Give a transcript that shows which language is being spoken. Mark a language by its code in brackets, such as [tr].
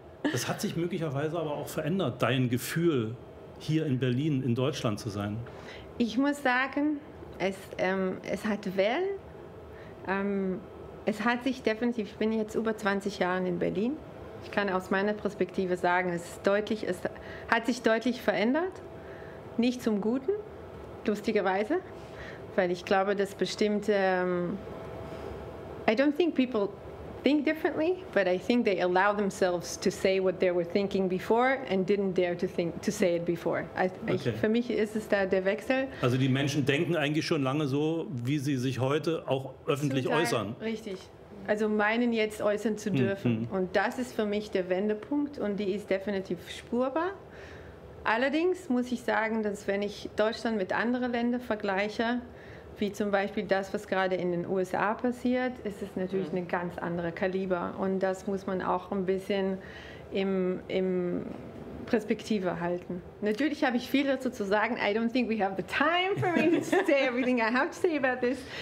[de] Das hat sich möglicherweise aber auch verändert, dein Gefühl, hier in Berlin, in Deutschland zu sein. Ich muss sagen, es hat Wellen. Es hat sich definitiv, ich bin jetzt über 20 Jahre in Berlin. Ich kann aus meiner Perspektive sagen, es hat sich deutlich verändert. Nicht zum Guten, lustigerweise, weil ich glaube, dass bestimmte, [en] I don't think people think differently, but I think they allow themselves to say what they were thinking before and didn't dare to say it before. [de] Okay. Für mich ist es da der Wechsel. Also die Menschen denken eigentlich schon lange so, wie sie sich heute auch öffentlich äußern. Richtig. Also meinen jetzt äußern zu dürfen. Mhm. Und das ist für mich der Wendepunkt und die ist definitiv spürbar. Allerdings muss ich sagen, dass wenn ich Deutschland mit anderen Ländern vergleiche, wie zum Beispiel das, was gerade in den USA passiert, ist es natürlich ein ganz anderer Kaliber. Und das muss man auch ein bisschen im Perspektive halten. Natürlich habe ich viel dazu zu sagen. [en] I don't think we have the time for me to say everything I have to say about this.